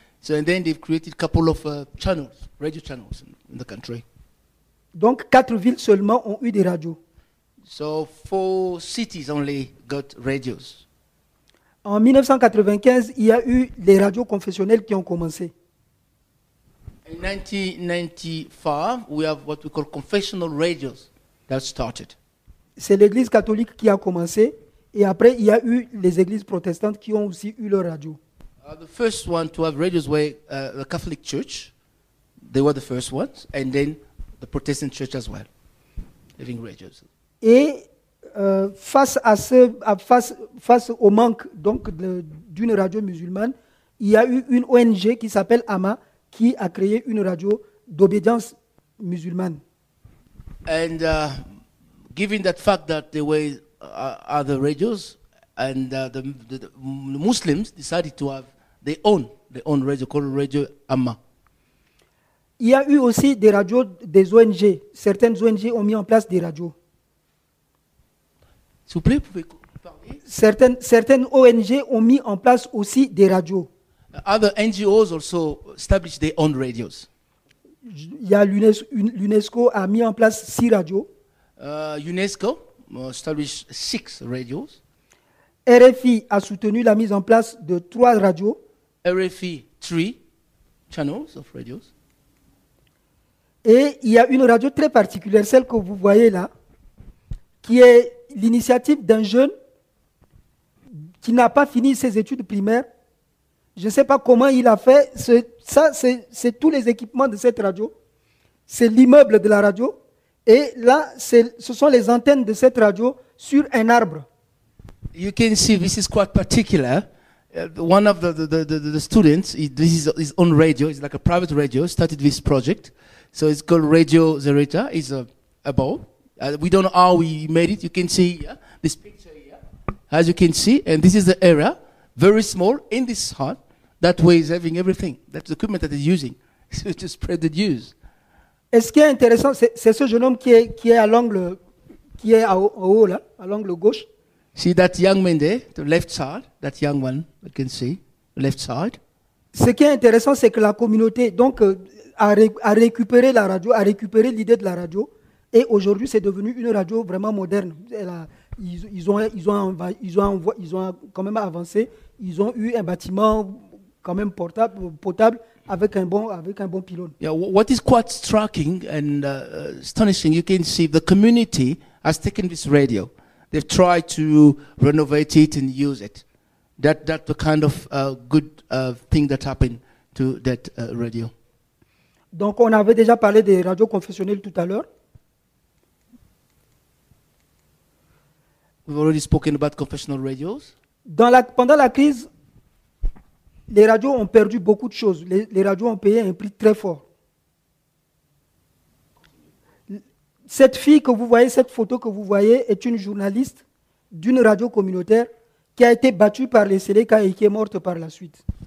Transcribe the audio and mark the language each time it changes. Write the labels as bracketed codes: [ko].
[en] So and then they've created a couple of channels, radio channels in the country. [fr] Donc quatre villes seulement ont eu des radios. [en] So four cities only got radios. [fr] En 1995, il y a eu les radios confessionnelles qui ont commencé. [en] In 1995, we have what we call confessional radios that started. [fr] C'est l'Église catholique qui a commencé Et après, il y a eu les églises protestantes qui ont aussi eu leur radio. [en] The first one to have radios were the Catholic Church. They were the first ones, and then the Protestant Church as well, having radios. [fr] Et face à ce, face au manque donc d'une radio musulmane, il y a eu une ONG qui s'appelle AMA qui a créé une radio d'obédience musulmane. [en] And given that fact that there were other radios, and the Muslims decided to have their own radio called Radio AMA. [fr] Il y a eu aussi des radios des ONG. Certaines ONG ont mis en place des radios. S'il vous plaît, vous pouvez parler. Certaines ONG ont mis en place aussi des radios. [en] Other NGOs also established their own radios. [fr] Il y a l'UNESCO a mis en place 6 radios. [en] UNESCO established 6 radios. [fr] RFI a soutenu la mise en place de 3 radios. [en] RFI 3 channels of radios. [fr] Et il y a une radio très particulière, celle que vous voyez là, qui est l'initiative d'un jeune qui n'a pas fini ses études primaires. Je ne sais pas comment il a fait. C'est tous les équipements de cette radio. C'est l'immeuble de la radio. Et là, ce sont les antennes de cette radio sur un arbre. [en] You can see this is quite particular. One of the students, this is his own radio. It's like a private radio. Started this project, so it's called Radio Zerita. It's a bowl. We don't know how we made it. You can see this picture here. As you can see, and this is the area. Very small in this hut, that way is having everything. That's the equipment that he's using to spread the news. [fr] Est-ce qui est intéressant, c'est ce jeune homme qui est à l'angle, qui est en haut là, à l'angle gauche. [en] See that young man there, the left side, that young one, you can see, left side. [fr] Ce qui est intéressant, c'est que la communauté donc a récupéré la radio, a récupéré l'idée de la radio, et aujourd'hui c'est devenu une radio vraiment moderne. Ils ont quand même avancé. Ils ont eu un bâtiment quand même potable avec un bon pylône. [en] Yeah, what is quite striking and astonishing, you can see the community has taken this radio. They've tried to renovate it and use it. That's the kind of good thing that happened to that radio. [fr] Donc on avait déjà parlé des radios confessionnelles tout à l'heure. [en] We've already spoken about confessional radios. [fr] Pendant la crise, les radios ont perdu beaucoup de choses. Les radios ont payé un prix très fort. Cette fille que vous voyez, cette photo que vous voyez, est une journaliste d'une radio communautaire qui a été battue par les Seleka et qui est morte par la suite.